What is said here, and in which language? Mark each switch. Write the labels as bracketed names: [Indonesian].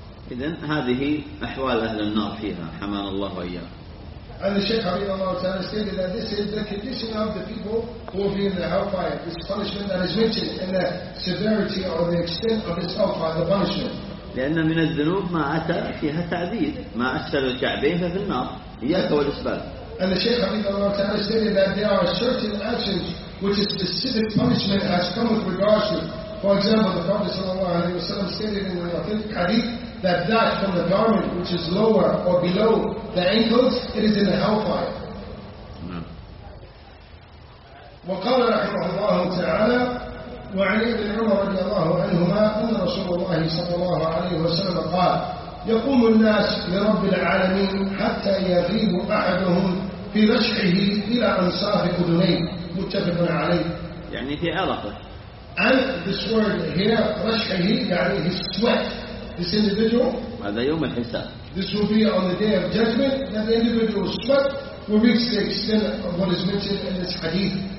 [Arabic] إذن هذه أحوال أهل النار فيها حمان الله وإياه. [English] And the Shaykh Habibullah Ta'ala stated that this is the condition of the people who will be in the hellfire. This punishment that is mentioned in the severity or the extent of this hellfire, the punishment. [Arabic] لأن من الذنوب ما أتى فيها تعذيب، ما أسفل الكعبين ففي النار، إياك والأسباب. [English] And the Shaykh Habibullah Ta'ala stated that there are certain actions which is specific punishment has come with regards to. For example, the Prophet Sallallahu Alaihi Wasallam stated in the authentic hadith that from the garment which is lower or below the ankles, it is in the hellfire. [Arabic] وقال رحمه الله تعالى وعن ابن عمر رضي الله عنهما أن رسول الله صلى الله عليه وسلم قال يقوم الناس لرب العالمين حتى يغيب أحدهم في رشحه إلى أنصاف أذنيه. متفق عليه. يعني في علاقة. [English] And this word here, رشحه, [Arabic] يعني [English] his sweat. This individual, this will be on the day of judgment, that the individual's sweat will reach the extent of what is mentioned in this hadith.